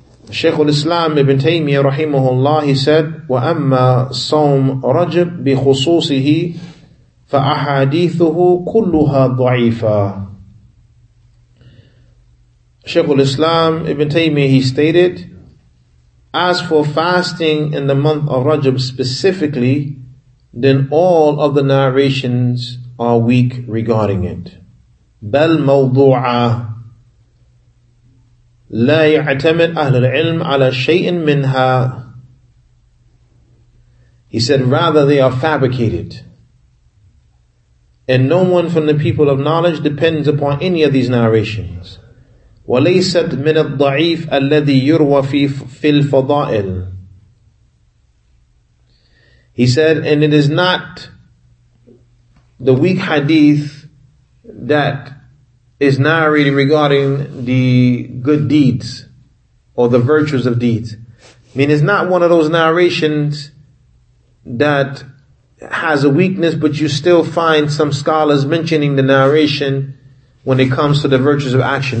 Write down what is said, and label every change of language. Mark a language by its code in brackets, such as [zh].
[en] Shaykh al-Islam Ibn Taymiyyah rahimahullah, he said, [ar] وَأَمَّا صَوْمْ رَجَبْ بِخُصُوصِهِ فَأَحَادِيثُهُ كُلُّهَا ضَعِيفًا. [en] Shaykh al-Islam Ibn Taymiyyah, he stated, as for fasting in the month of Rajab specifically, then all of the narrations are weak regarding it. [ar] بل موضوعة لا يعتمد أهل العلم على شيء منها. [en] He said, rather they are fabricated. And no one from the people of knowledge depends upon any of these narrations. [ar] وليست من الضعيف الذي يروى في الفضائل. [en] He said, and it is not the weak hadith that is narrated regarding the good deeds or the virtues of deeds. I mean, it's not one of those narrations that has a weakness, but you still find some scholars mentioning the narration when it comes to the virtues of action.